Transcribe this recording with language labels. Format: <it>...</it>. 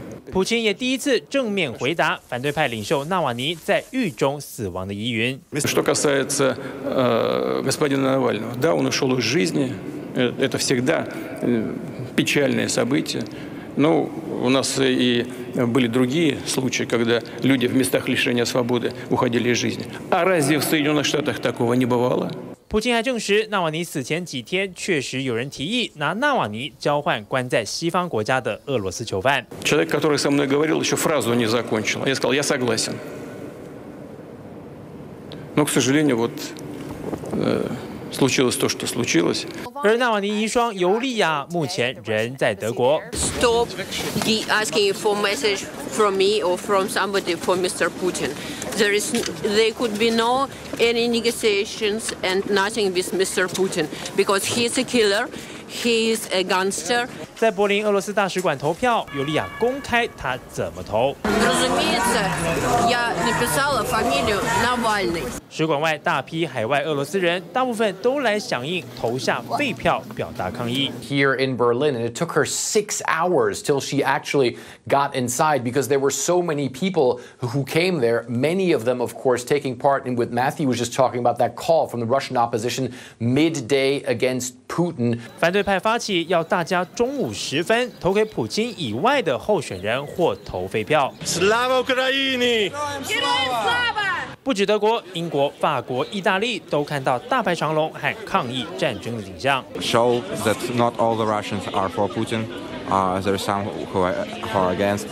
<zh>普京也第一次正面回答反对派领袖纳瓦尼在狱中死亡的疑云。</zh> <ru>Что касается господина Навального, да, он ушел из жизни, это всегда печальное событие. Но у нас и были другие случаи, когда люди в местах лишения свободы уходили из жизни. А разве в Соединенных Штатах такого не бывало?</ru> <zh>普京还证实，纳瓦尼死前几天确实有人提议拿纳瓦尼交换关在西方国家的俄罗斯囚犯。</zh> <ru>Человек, который со мной говорил, еще фразу не закончил. Я сказал, я согласен. Но, к сожалению, вот случилось то, что случилось.</ru> <zh>而纳瓦尼遗孀尤利亚目前人在德国。</zh> <en>Stop asking for message from me or from somebody for Mr. Putin. There could be no any negotiations and nothing with Mr. Putin because he's a killer, he's a gangster.</en> <zh>在柏林俄罗斯大使馆投票，尤利亚公开他怎么投。使馆外大批海外俄罗斯人，大部分都来响应，投下废票表达抗议。</zh> <en>Here in Berlin, and it took her 6 hours till she actually got inside because there were so many people who came there. Many of them, of course, taking part in what Matthew was just talking about that call from the Russian opposition midday against Putin.</en> <zh>反对派发起要大家中午10分投给普京以外的候选人或投废票。</zh> <uk>Slava Ukraini! Slava!</uk> <zh>不止德国，英国、法国、意大利都看到大排长龙和抗议战争的景象。</zh> <en>Show that not all the Russians are for Putin. There are some who are against.</en>